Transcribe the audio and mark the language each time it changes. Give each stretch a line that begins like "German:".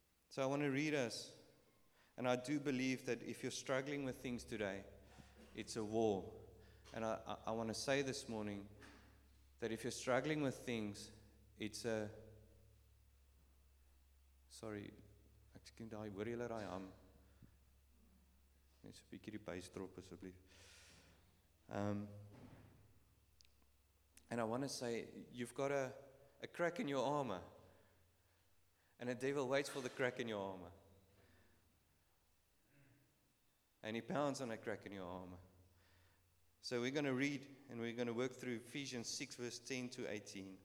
English: So I want to read us. And I do believe that if you're struggling with things today, it's a war. And I want to say this morning that if you're struggling with things, it's a... Sorry.
Afrikaans: Ek sien daai hoor julle daai ham. Net so 'n bietjie die bas drop asseblief.
English: And I want to say you've got a crack in your armor. And the devil waits for the crack in your armor. And he pounds on a crack in your armor. So we're going to read and we're going to work through Ephesians 6 verse 10 to 18.